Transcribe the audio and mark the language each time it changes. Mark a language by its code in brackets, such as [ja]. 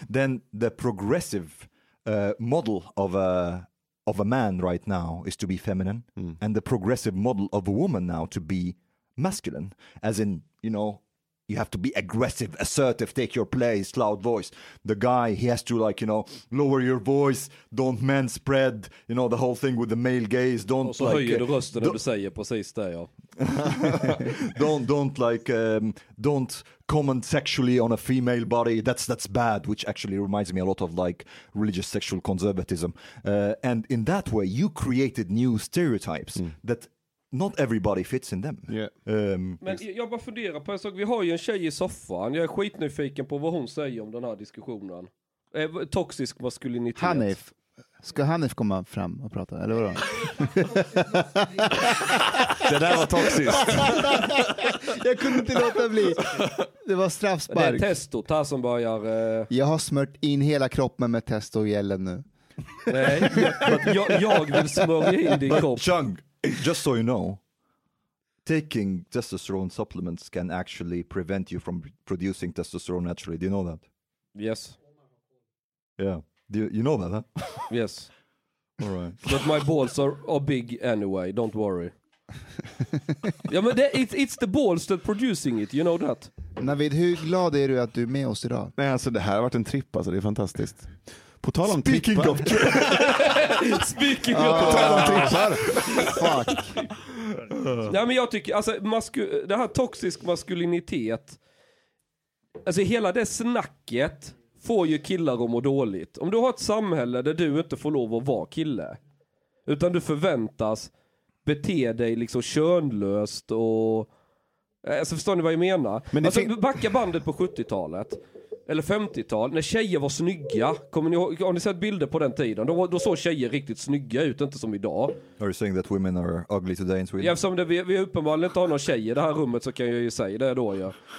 [en] Then the progressive model of a man right now is to be feminine, and the progressive model of a woman now to be masculine, as in, you know, you have to be aggressive, assertive, take your place, loud voice. The guy, he has to, like, you know, lower your voice, don't man spread, you know, the whole thing with the male gaze. Don't, [sv] och så [en] like, [sv] höjer du rösten när du säger precis det, ja. [en] don't comment sexually on a female body. That's bad, which actually reminds me a lot of, like, religious sexual conservatism. And in that way, you created new stereotypes that... Not everybody fits in them. Yeah. [sv] Men jag bara funderar på en sak. Vi har ju en tjej i soffan. Jag är skitnyfiken på vad hon säger om den här diskussionen. Toxisk maskulinitet. Hanif. Ska Hanif komma fram och prata? Eller vadå? Det där var toxiskt. Jag kunde inte låta bli. Det var straffspark. Det är testo. Ta som börjar. Jag har smört in hela kroppen med testo och gällen nu. Nej. Jag vill smörja in din kropp. Chung. [en] Just so you know, taking testosterone supplements can actually prevent you from producing testosterone naturally. Do you know that? Yes. Yeah. Do you know that, huh? Yes. All right. But my balls are big anyway. Don't worry. [sv] Ja, men [en] it's the balls that producing it. You know that. [sv] Navid, hur glad är du att du är med oss idag? Nej, alltså det här har varit en tripp. Alltså, det är fantastiskt. På tal om [en] speaking [sv] tippar. [en] Speaking of [sv] tal om tippar. [en] Fuck. [sv] Nej, men jag tycker, alltså, det här toxisk maskulinitet, alltså hela det snacket får ju killar att må dåligt. Om du har ett samhälle där du inte får lov att vara kille, utan du förväntas bete dig liksom könlöst och... Alltså, förstår ni vad jag menar? Men alltså, backa bandet på 70-talet. Eller 50-tal, när tjejer var snygga. Kommer ni ihåg, har ni sett bilder på den tiden? Då såg tjejer riktigt snygga ut, inte som idag. [en] Are you saying that women are ugly today in Sweden? [sv] Ja, eftersom vi uppenbarligen inte har några tjejer i det här rummet, så kan jag ju säga det då. Ja.